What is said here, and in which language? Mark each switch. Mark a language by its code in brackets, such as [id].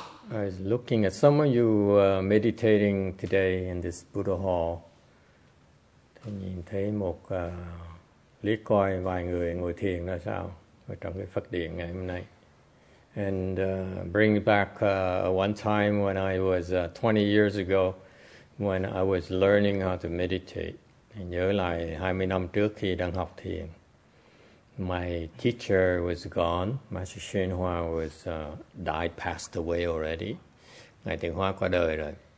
[en] I was looking at some of you meditating today in this Buddha hall. [vi] Tôi nhìn thấy một lý coi vài người ngồi thiền ra sao ở trong cái Phật điện ngày hôm nay. [en] And bring back one time when I was 20 years ago when I was learning how to meditate. [vi] Anh nhớ lại 20 năm trước khi đang học thiền. [en] My teacher was gone. Master Xuyên Hoa was died, passed away already. [vi] Ngài Tịnh Hoa qua đời rồi.